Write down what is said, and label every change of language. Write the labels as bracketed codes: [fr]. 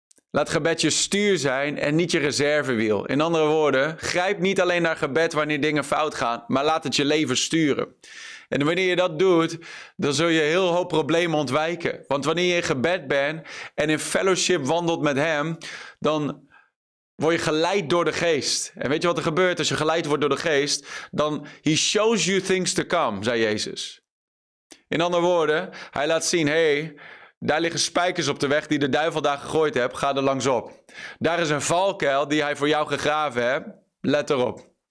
[nl] Laat gebed je stuur zijn en niet je reservewiel. In andere woorden, grijp niet alleen naar gebed wanneer dingen fout gaan, maar laat het je leven sturen. En wanneer je dat doet, dan zul je heel hoop problemen ontwijken. Want wanneer je in gebed bent en in fellowship wandelt met hem, dan word je geleid door de geest. En weet je wat er gebeurt als je geleid wordt door de geest? Dan, [en] he shows you things to come, [nl] zei Jezus. In andere woorden, hij laat zien, hey, daar liggen spijkers op de weg die de duivel daar gegooid heeft, ga er langs op. Daar is een valkuil die hij voor jou gegraven heeft, let erop.